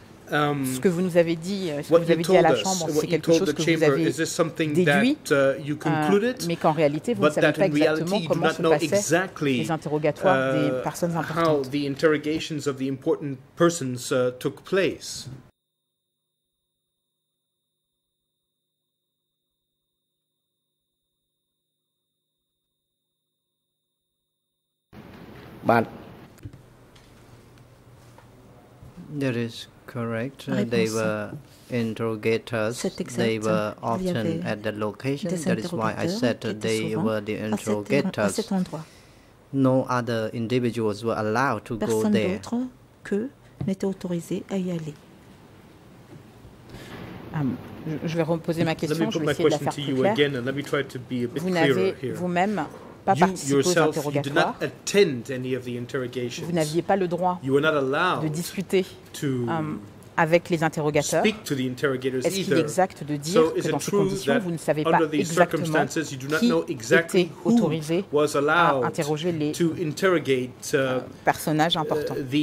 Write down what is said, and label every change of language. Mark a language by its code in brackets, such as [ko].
[fr] Ce que vous nous avez dit, à la Chambre, c'est quelque chose que vous avez déduit, mais qu'en réalité, vous ne savez pas exactement comment se passaient les interrogatoires des personnes importantes. [en] How the interrogations of the important persons took place. There is. Correct. They were interrogators. They were often at the location. That is why I said they were the interrogators. No other individuals were allowed to go there. [fr] Personne d'autre que n'était autorisé à y aller. Je vais reposer ma question. [en] Let me put my question to you again, and let me try to be a bit clearer here. You did not attend any of the interrogations. [fr] Vous n'aviez pas le droit de discuter avec les interrogateurs. [en] Speak to the interrogators [fr] Est-ce qu'il est exact de dire que dans ces conditions, vous ne savez pas exactement qui était autorisé à interroger les personnages importants?